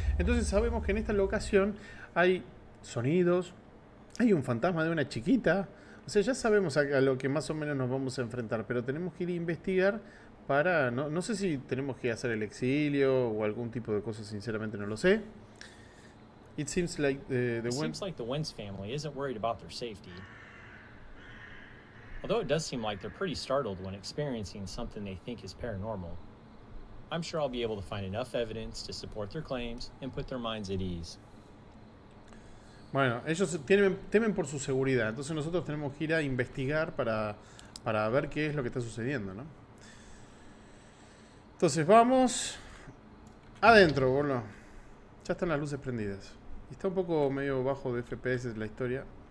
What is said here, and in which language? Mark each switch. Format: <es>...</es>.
<es>Entonces sabemos que en esta locación hay sonidos, hay un fantasma de una chiquita. O sea, ya sabemos a lo que más o menos nos vamos a enfrentar, pero tenemos que ir a investigar para... No, no sé si tenemos que hacer el exilio o algún tipo de cosa, sinceramente no lo sé.</es> <en>It seems like the It wind... seems like the Wentz family isn't worried about their safety. Although it does seem like they're pretty startled when experiencing something they think is paranormal. I'm sure I'll be able to find enough evidence to support their claims and put their minds at ease.</en> <es>Bueno, ellos temen por su seguridad, entonces nosotros tenemos que ir a investigar para ver qué es lo que está sucediendo, ¿no? Entonces vamos adentro, boludo. Ya están las luces prendidas. Y está un poco medio bajo de FPS la historia.</es>